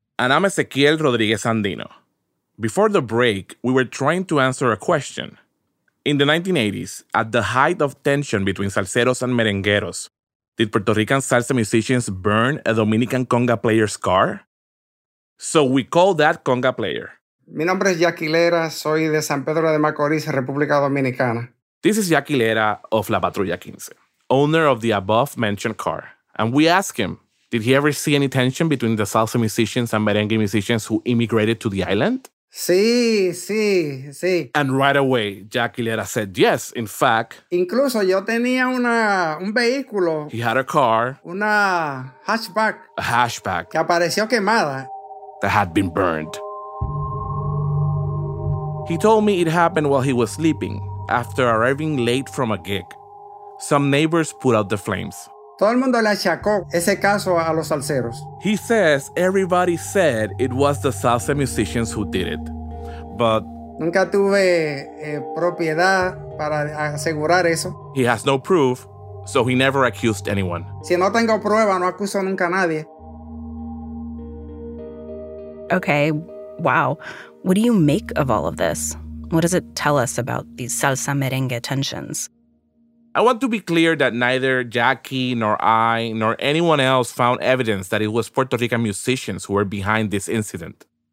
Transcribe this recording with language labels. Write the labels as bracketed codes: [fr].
[en] And I'm Ezequiel Rodriguez Andino. Before the break, we were trying to answer a question. In the 1980s, at the height of tension between salseros and merengueros, did Puerto Rican salsa musicians burn a Dominican conga player's car? So we call that conga player. [es] Mi nombre es Jackie Lera, soy de San Pedro de Macorís, República Dominicana. [en] This is Jackie Lera of La Patrulla 15, owner of the above-mentioned car. And we ask him, did he ever see any tension between the salsa musicians and merengue musicians who immigrated to the island? [es] Sí, sí, sí. [en] And right away, Jackie Lera said yes, in fact. [es] Incluso yo tenía un vehículo. [en] He had a car. [es] Una hatchback. [en] A hatchback. [es] Que apareció quemada. [en] That had been burned. He told me it happened while he was sleeping, after arriving late from a gig. Some neighbors put out the flames. [es] Todo el mundo le achacó ese caso a los salseros. [en] He says everybody said it was the salsa musicians who did it. But [es] nunca tuve propiedad para asegurar eso. [en] He has no proof, so he never accused anyone. [es] Si no tengo prueba, no acuso nunca a nadie. [en] Okay, wow. What do you make of all of this? What does it tell us about these salsa merengue tensions? I want to be clear that neither Jackie nor I nor anyone else found evidence that it was Puerto Rican musicians who were behind this incident.